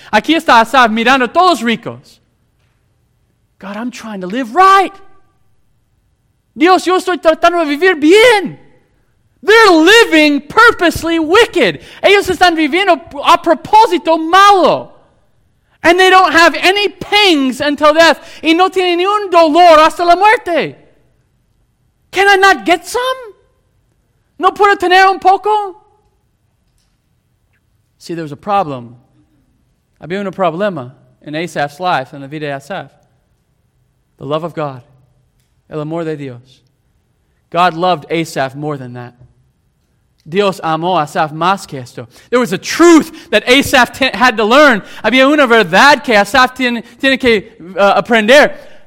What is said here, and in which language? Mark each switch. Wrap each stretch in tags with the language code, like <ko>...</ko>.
<es>Aquí está Asaph mirando a todos ricos.</es> <en>God, I'm trying to live right.</en> <es>Dios, yo estoy tratando de vivir bien.</es> <en>They're living purposely wicked.</en> <es>Ellos están viviendo a propósito malo.</es> <en>And they don't have any pangs until death.</en> <es>Y no tienen ni un dolor hasta la muerte.</es> <en>Can I not get some?</en> <es>¿No puedo tener un poco?</es> <en>See, there was a problem.</en> <es>Había un problema</es> <en>in Asaph's life, in the</en> <es>vida de Asaph.</es> <en>The love of God.</en> <es>El amor de Dios.</es> <en>God loved Asaph more than that.</en> <es>Dios amó a Asaph más que esto.</es> <en>There was a truth that Asaph had to learn.</en> <es>Había una verdad que Asaph tiene que aprender.</es>